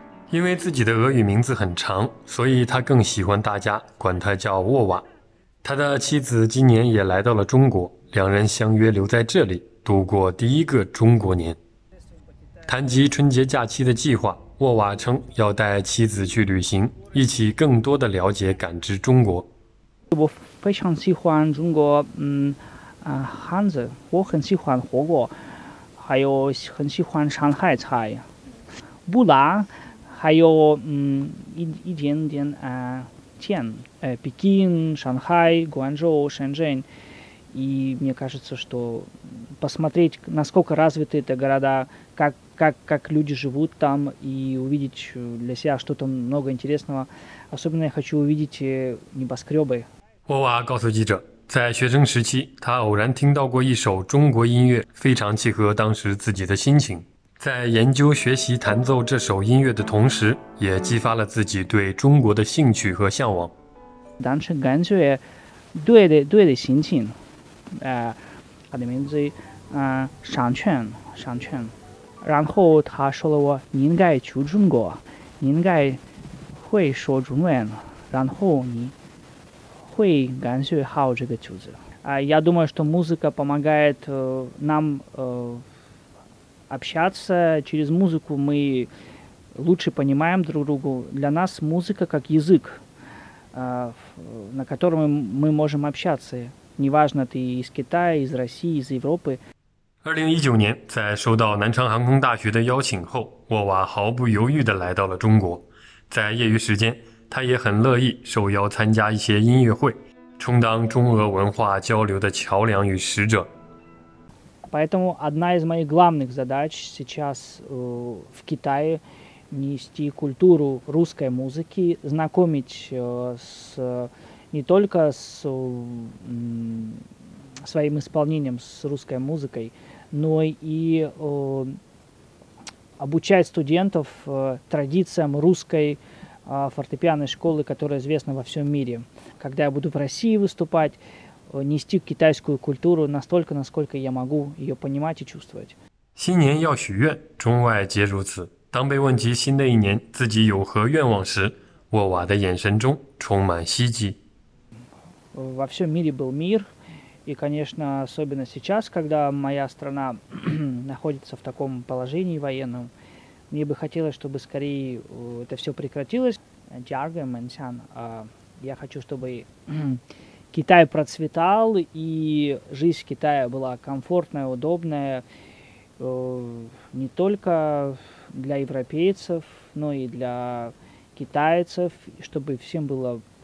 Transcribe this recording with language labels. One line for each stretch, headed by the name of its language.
Chinese: 因为自己的俄语名字很长，所以他更喜欢大家管他叫沃瓦。他的妻子今年也来到了中国，两人相约留在这里度过第一个中国年。谈及春节假期的计划，沃瓦称要带妻子去旅行，一起更多的了解感知中国。我非常喜欢中国，汉子，我很喜欢火锅，还有很喜欢上海菜，布拉，还有一点点钱，北京、上海、广州、深圳，
Russian: и мне кажется, что посмотреть, насколько развиты эти города, как люди живут там, и увидеть для себя что-то много интересного. Особенно я хочу увидеть небоскребы.
Chinese: 沃瓦告诉记者，在学生时期，他偶然听到过一首中国音乐，非常契合当时自己的心情。在研究学习弹奏这首音乐的同时，也激发了自己对中国的兴趣和向往。当时感觉对的心情，他的名字上圈，然后他说了我你应该去中国，你应该会说中文，然后你会感觉好这个曲子。
Russian: я думаю, что музыка помогает нам общаться. Через музыку мы лучше понимаем друг друга. Для нас музыка как язык, на котором мы можем общаться. Неважно, ты из Китая, из России, из Европы.
Chinese: 2019年，在收到南昌航空大学的邀请后，沃瓦毫不犹豫地来到了中国。在业余时间，他也很乐意受邀参加一些音乐会，充当中俄文化交流的桥梁与使者。
Russian: Поэтому одна из моих главных задач сейчас в Китае нести культуру русской музыки, знакомить с не только с своим исполнением с русской музыкой, но и обучать студентов традициям русской фортепианной школы, которая известна во всем мире. Когда я буду в России выступать, нести китайскую культуру настолько, насколько я могу ее понимать и чувствовать.
Chinese: 新年要许愿，中外皆如此。当被问及新的一年自己有何愿望时，沃瓦的眼神中充满希冀。
Russian: Во всем мире был мир, и, конечно, особенно сейчас, когда моя страна находится в таком положении военном, мне бы хотелось, чтобы скорее это все прекратилось. Дярга Мэнсян, я хочу, чтобы Китай процветал, и жизнь в Китае была комфортная, удобная не только для европейцев, но и для китайцев, чтобы всем было